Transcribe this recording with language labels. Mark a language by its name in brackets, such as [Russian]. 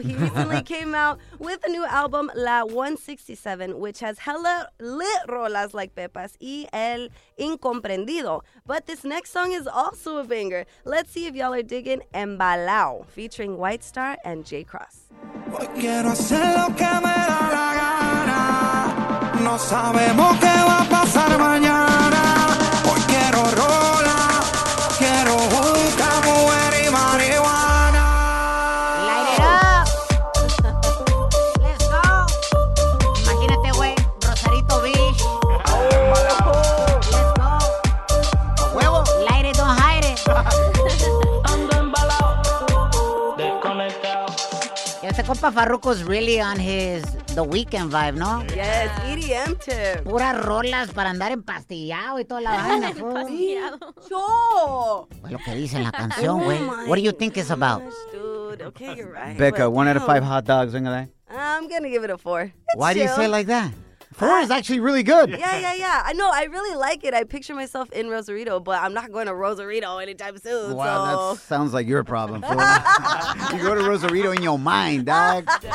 [English] He recently came out with a new album, La 167, which has hella lit rolas like Pepas y El Incomprendido. But this next song is also a banger. Let's see if y'all are digging Embalao, featuring White Star and J Cross. [Spanish] Hoy quiero hacer lo que me da la gana. No sabemos qué va a pasar mañana. Hoy quiero rola, quiero juca, mujer y marihuana. [English] Light it up. Let's go. [Spanish] Imagínate, güey, Rosarito Beach. [English] Let's go. [Spanish] A huevo. [English] Light it, don't hide it. [Spanish] Ando embalado, desconectado. Este compa [English] Farruko's really on his The Weeknd vibe, ¿no? Yes, EDM tip. [Spanish] Puras rolas para andar empastillado y toda la vaina. ¡Empastillado! ¡Yo! Es lo que dice en la canción, güey. [English] What do you think it's about? Dude, okay, you're right. Becca, 1 out of 5 hot dogs, [Spanish] venga de. [English] I'm gonna give it a 4. It's Why do you say it like that? 4 is actually really good. Yeah. I know, I really like it. I picture myself in Rosarito, but I'm not going to Rosarito anytime soon. Wow, that sounds like your problem, 4. You go to Rosarito in your mind, dog.